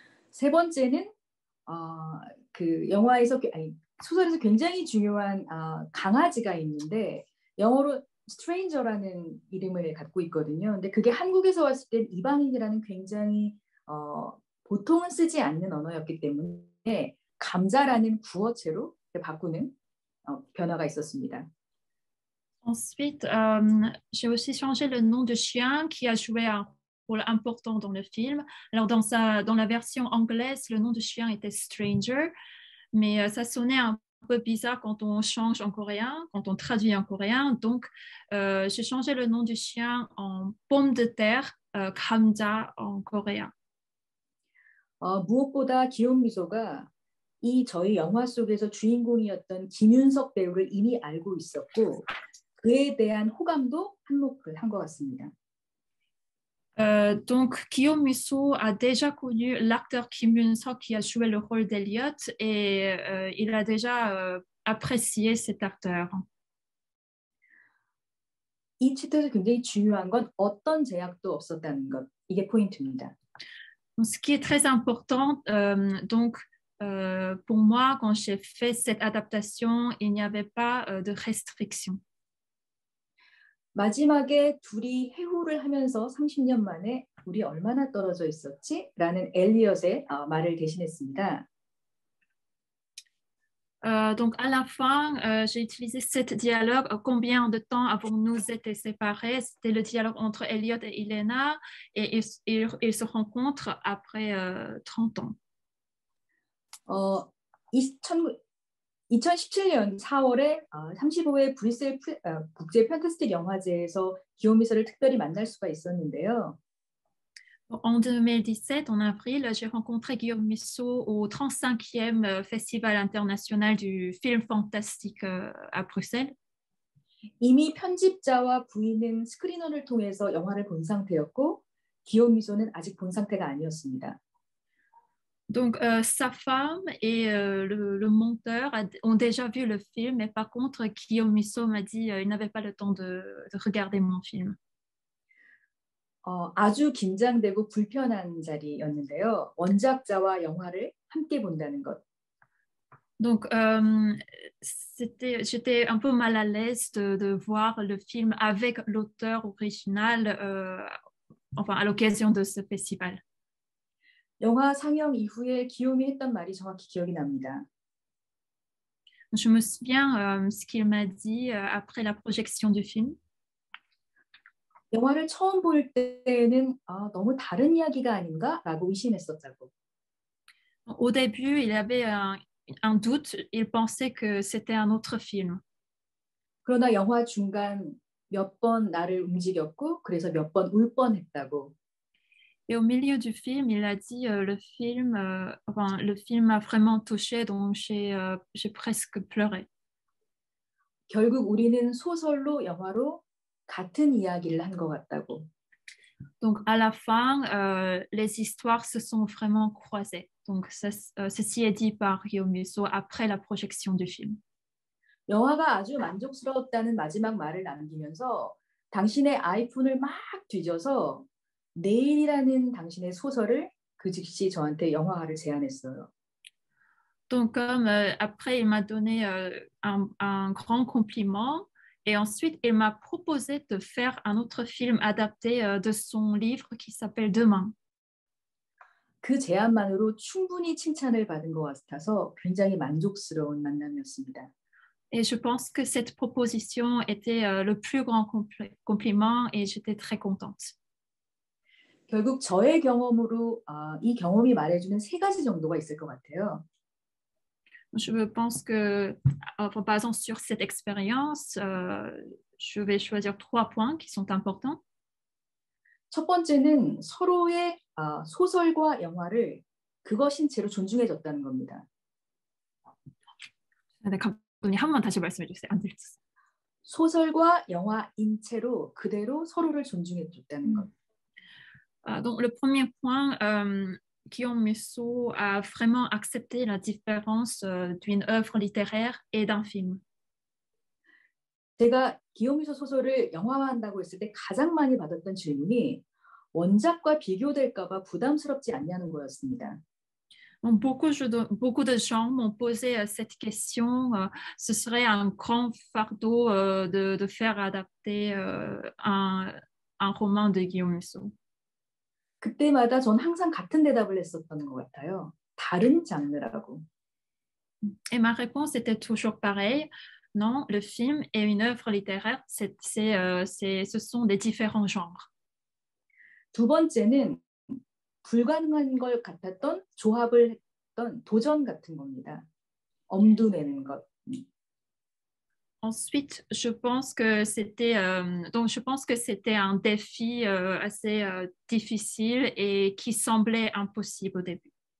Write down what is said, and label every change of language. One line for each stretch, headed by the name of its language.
Korean: 세 번째는 그 영화에서 소설에서 굉장히 중요한 강아지가 있는데 영어로 Stranger라는 이름을 갖고 있거든요. 근데 그게 한국에서 왔을 때 이방인이라는 굉장히 보통은 쓰지 않는 언어였기 때문에 감자라는 구어체로 바꾸는 변화가 있었습니다.
French: Ensuite, j'ai aussi changé le nom de chien qui a joué un rôle important dans le film. Alors dans la version anglaise, le nom de chien était Stranger, mais ça sonnait un peu bizarre quand on change en coréen, quand on traduit en coréen. Donc, j'ai changé le nom du chien en pomme de terre, Kamja en coréen.
Korean: 무엇보다 기욤 미소가 이 저희 영화 속에서 주인공이었던 김윤석 배우를 이미 알고 있었고 그에 대한 호감도 한몫을 한 것 같습니다.
French: Donc Guillaume Meissot a déjà connu l'acteur Kim Yun-seok qui a joué le rôle d'Eliot et il a déjà apprécié cet acteur.
Korean: 이 책에서 굉장히 중요한 건 어떤 제약도 없었다는 것. 이게 포인트입니다.
French: Ce qui est très important, pour moi, quand j'ai fait cette adaptation, il n'y avait pas de restriction.
Korean: 마지막에 둘이 회호를 하면서 30년 만에 우리 얼마나 떨어져 있었지? 라는 엘리엇의 말을 대신했습니다.
French: Donc à la fin, j'ai utilisé cette dialogue. Combien de temps avons-nous été séparés? C'était le dialogue entre Elliot et Elena et ils se rencontrent après 30 ans.
Korean: 2017년 4월에 35회 브뤼셀 국제 판타스틱 영화제에서 기욤 미소를 특별히 만날 수가 있었는데요.
French: En 2017, en avril, j'ai rencontré Guillaume Meissot au 35e festival international du film fantastique à Bruxelles.
Korean: 이미 편집자와 부인은 스크린을 통해서 영화를 본 상태였고 기욤 미소는 아직 본 상태가 아니었습니다.
French: Donc sa femme et le monteur ont déjà vu le film, mais par contre Guillaume Meissot m'a dit qu'il n'avait pas le temps de regarder mon film.
Korean: 아주 긴장되고 불편한 자리였는데요. 원작자와 영화를 함께 본다는 것.
French: Donc j'étais un peu mal à l'aise de voir le film avec l'auteur original, enfin à l'occasion de ce festival.
Korean: 영화 상영 이후에 기욤이 했던 말이 정확히 기억이 납니다.
French: Je me souviens ce qu'il m'a dit après la projection du film.
Korean: 영화를 처음 볼 때는 너무 다른 이야기가 아닌가라고 의심했었다고.
French: Au début, il avait un doute. Il pensait que c'était un autre film.
Korean: 그러나 영화 중간 몇 번 나를 움직였고 그래서 몇 번 울 뻔했다고.
French: Et au milieu du film, il a dit le film m'a vraiment touché, donc j'ai presque pleuré.
Korean: 결국 우리는 소설로 영화로 같은 이야기를 한 것 같다고.
French: Donc à la fin, les histoires se sont vraiment croisées. Donc ceci est dit par Guillaume Meissot après la projection du film.
Korean: 영화가 아주 만족스러웠다는 마지막 말을 남기면서 당신의 아이폰을 막 뒤져서 내일이라는 당신의 소설을 그 즉시 저한테 영화화를 제안했어요.
French: Donc comme après il m'a donné un grand compliment et ensuite il m'a proposé de faire un autre film adapté de son livre qui s'appelle Demain.
Korean: 그 제안만으로 충분히 칭찬을 받은 것 같아서 굉장히 만족스러운 만남이었습니다.
French: Et je pense que cette proposition était le plus grand compliment et j'étais très contente.
Korean: 결국 저의 경험으로 이 경험이 말해주는 세 가지 정도가 있을 것 같아요.
French: Je pense que, en basant sur cette expérience, je vais choisir trois points qui sont importants.
Korean: 첫 번째는 서로의 소설과 영화를 그것인 채로 존중해줬다는 겁니다. 네, 감독님 한 번 다시 말씀해 주세요. 안 들렸어요. 소설과 영화인 채로 그대로 서로를 존중해줬다는 것.
French: Donc le premier point, Guillaume Musso a vraiment accepté la différence d'une œuvre littéraire et d'un film.
Korean: 제가 기욤 미소 소설을 영화화한다고 했을 때 가장 많이 받았던 질문이 원작과 비교될까봐 부담스럽지 않냐는 거였습니다.
French: Beaucoup de gens m'ont posé cette question. Ce serait un grand fardeau de faire adapter un roman de Guillaume Musso.
Korean: 그때마다 전 항상 같은 대답을 했었던 것 같아요. 다른 장르라고.
French: Et ma réponse était toujours pareille. Non, le film et une œuvre littéraire, ce sont des différents genres.
Korean: 두 번째는 불가능한 걸 같았던 조합을 했던 도전 같은 겁니다. 엄두내는 것.
French: Ensuite, je pense que c'était un défi assez difficile et qui semblait impossible au début.